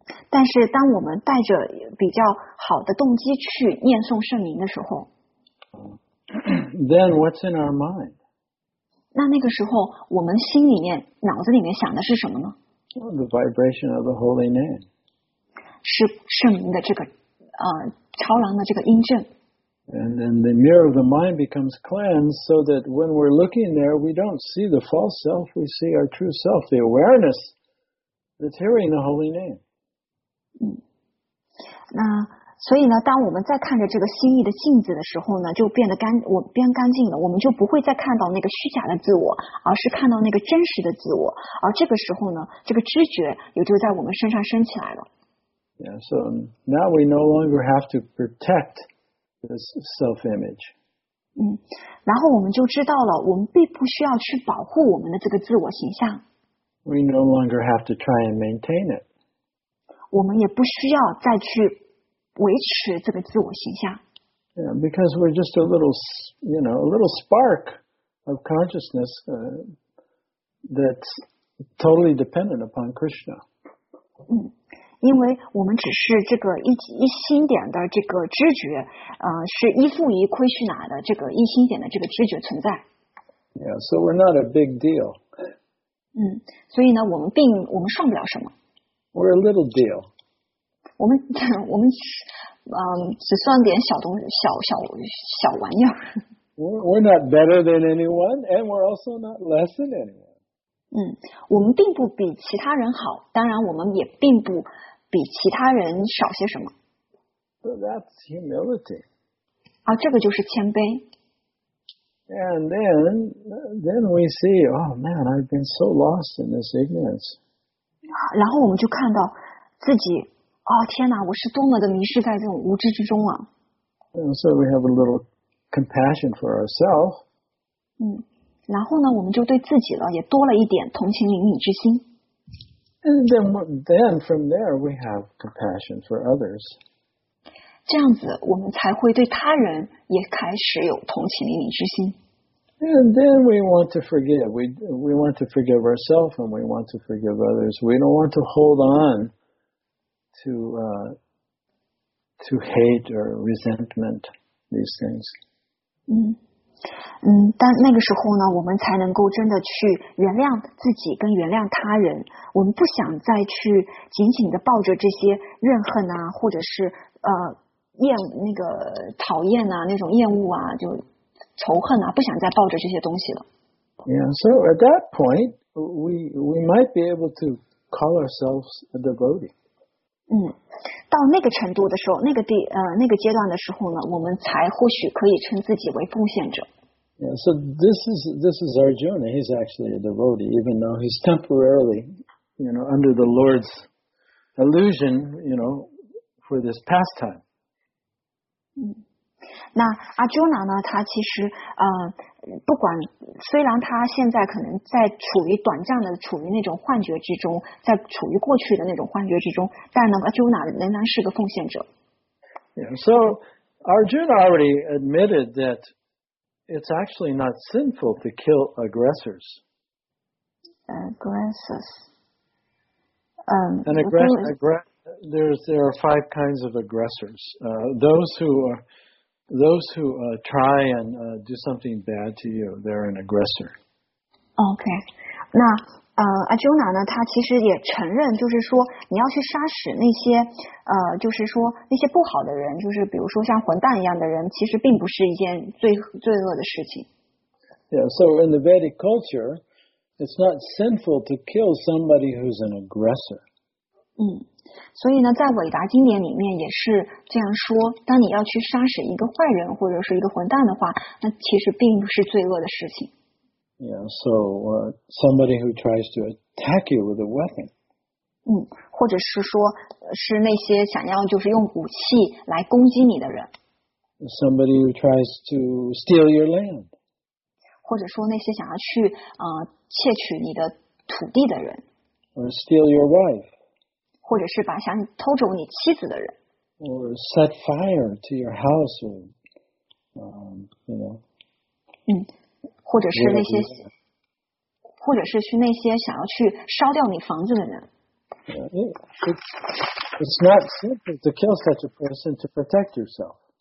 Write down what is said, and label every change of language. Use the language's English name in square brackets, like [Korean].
[Chinese] 但是当我们带着比较好的动机去念诵圣名的时候 [English] ，Then what's in our mind? [Chinese] 那个时候我们心里面脑子里面想的是什么呢 [English] ?The vibration of the holy name. [Chinese] 是圣名的这个超然的这个音阵。 [English] And then the mirror of the mind becomes cleansed so that when we're looking there, we don't see the false self, we see our true self, the awareness that's hearing the holy name. [Chinese] 那所以呢，当我们在看着这个心意的镜子的时候呢，就变干净了，我们就不会再看到那个虚假的自我，而是看到那个真实的自我。而这个时候呢，这个知觉也就在我们身上升起来了。 [English] Yeah, so now we no longer have to protect this self-image. [Chinese] 然后我们就知道了，我们并不需要去保护我们的这个自我形象。 [English] We no longer have to try and maintain it. [Chinese] 我们也不需要再去维持这个自我形象。 [English] Yeah, because we're just a little, you know, a little spark of consciousness, that's totally dependent upon Krishna. [Chinese] 因为我们只是这个一心点的这个知觉，是依附于奎须那的这个一心点的这个知觉存在。 [English] Yeah, so we're not a big deal. [Chinese] 所以呢，我们算不了什么。 [English] We're a little deal. [Chinese] 我们只算点小东西，小玩意儿。 [English] We're not better than anyone, and we're also not less than anyone. [Chinese] 我们并不比其他人好，当然我们也并不比其他人少些什么。 [English] So that's humility. [Chinese] 这个就是谦卑。 And then we see, oh man, I've been so lost in this ignorance. 然后我们就看到自己。天哪，我是多么的迷失在这种无知之中啊。 [English] So we have a little compassion for ourselves. [Chinese] 然后呢，我们就对自己了，也多了一点同情怜悯之心。 [English] And then from there we have compassion for others. [Chinese] 这样子我们才会对他人也开始有同情怜悯之心。 [English] And then we want to forgive. We want to forgive ourselves and we want to forgive others. We don't want to hold on. To hate or resentment, these things. [Chinese] 但那个时候呢，我们才能够真的去原谅自己跟原谅他人。我们不想再去紧紧的抱着这些怨恨啊，或者是厌那个讨厌啊，那种厌恶啊，就仇恨啊，不想再抱着这些东西了。 [English] Yeah, so at that point, we might be able to call ourselves a devotee. [Chinese] 到那个程度的时候，那个阶段的时候呢，我们才或许可以称自己为奉献者。 [English] Yeah, so this is Arjuna. He's actually a devotee, even though he's temporarily, you know, under the Lord's illusion, you know, for this pastime. [Chinese] 那阿朱纳呢？他其实不管虽然他现在可能在处于短暂的处于那种幻觉之中，在处于过去的那种幻觉之中，但呢，阿朱纳仍然是个奉献者。 [English] Yeah, so Arjuna already admitted that it's actually not sinful to kill aggressors. Aggressors. An there are five kinds of aggressors. Those who try and do something bad to you, they're an aggressor. Okay. [Chinese] 那Arjuna 呢，他其实也承认，就是说你要去杀死那些就是说那些不好的人，就是比如说像混蛋一样的人，其实并不是一件罪恶的事情。 [English] Yeah, so in the Vedic culture, it's not sinful to kill somebody who's an aggressor. [Chinese] 所以呢，在伟达经典里面也是这样说，当你要去杀死一个坏人或者是一个混蛋的话，那其实并不是罪恶的事情。 [English] Yeah, so somebody who tries to attack you with a weapon. [Chinese] 或者是说是那些想要就是用武器来攻击你的人。 [English] Somebody who tries to steal your land. [Chinese] 或者说那些想要去窃取你的土地的人。 [English] Or steal your wife. [Chinese] 或者是把想偷走你妻子的人。 [English] Or set fire to your house or, you know. [Chinese] 或者是去那些想要去烧掉你房子的人。 [English] It's not simple to kill such a person to protect yourself.